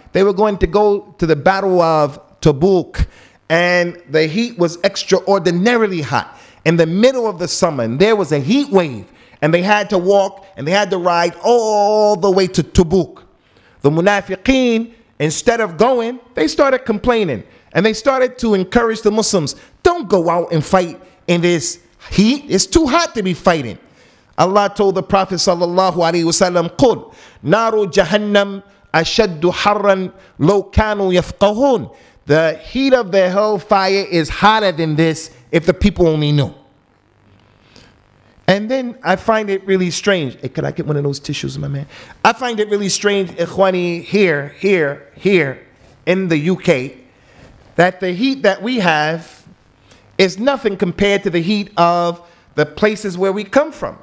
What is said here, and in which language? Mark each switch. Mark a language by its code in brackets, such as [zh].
[en] They were going to go to the Battle of Tabuk, and the heat was extraordinarily hot in the middle of the summer, and there was a heat wave, and they had to walk, and they had to ride all the way to Tabuk. The Munafiqeen, instead of going, they started complaining, and they started to encourage the Muslims, don't go out and fight in this heat. It's too hot to be fighting. Allah told the Prophet sallallahu alaihi wasallam, [ar] قُلْ نَارُ جَهَنَّمْ أَشَدُّ حَرًّا لَوْ كَانُوا يَفْقَهُونَ. [en] The heat of the hellfire is hotter than this if the people only knew. And then I find it really strange. Hey, could I get one of those tissues, my man? I find it really strange, Ikhwani, here in the UK, that the heat that we have is nothing compared to the heat of the places where we come from.